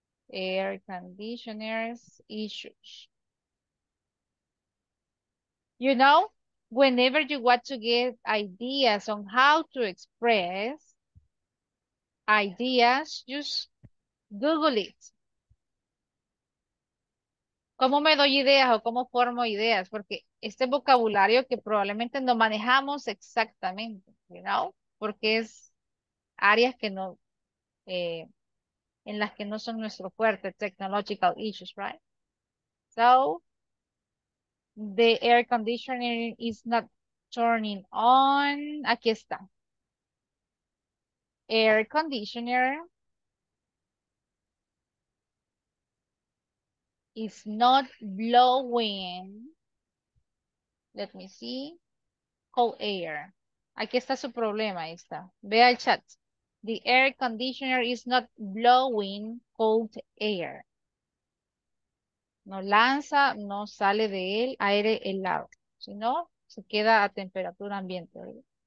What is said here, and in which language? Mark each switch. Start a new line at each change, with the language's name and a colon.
English: Air conditioner issues. You know, whenever you want to get ideas on how to express ideas, just Google it.
Spanish: ¿Cómo me doy ideas o cómo formo ideas? Porque este vocabulario que probablemente no manejamos exactamente,
English: you know,
Spanish: porque es áreas que no, en las que no son nuestro fuerte,
English: technological issues, right? So, the air conditioner is not turning on.
Spanish: Aquí está.
English: Air conditioner is not blowing, let me see, cold air.
Spanish: Aquí está su problema, ahí está. Vea el chat.
English: The air conditioner is not blowing cold air.
Spanish: No lanza, no sale de él aire helado, sino se queda a temperatura ambiente, ¿verdad?